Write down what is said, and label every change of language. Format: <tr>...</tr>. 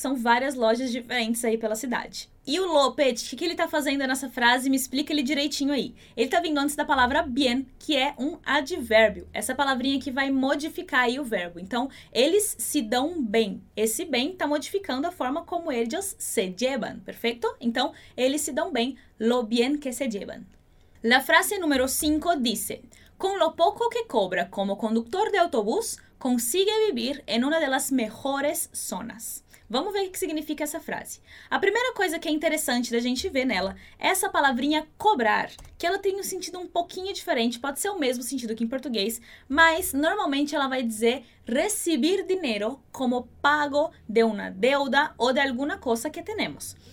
<pt>Que são várias lojas diferentes aí pela cidade. E o López, o que, que ele está fazendo nessa frase? Me explica ele direitinho aí. Ele está vindo antes da palavra bien, que é um advérbio. Essa palavrinha que vai modificar aí o verbo. Então, eles se dão bem. Esse bem está modificando a forma como eles se llevan, perfeito? Então, eles se dão bem.</pt> <es>Lo bien que se llevan. La frase número 5 dice: con lo poco que cobra como conductor de autobús, consigue vivir en una de las mejores zonas.</es> <pt>Vamos ver o que significa essa frase. A primeira coisa que é interessante da gente ver nela é essa palavrinha cobrar, que ela tem um sentido um pouquinho diferente, pode ser o mesmo sentido que em português, mas normalmente ela vai dizer recibir dinheiro</pt> <es>como pago de una deuda</es> <pt>ou de alguma coisa que temos.</pt>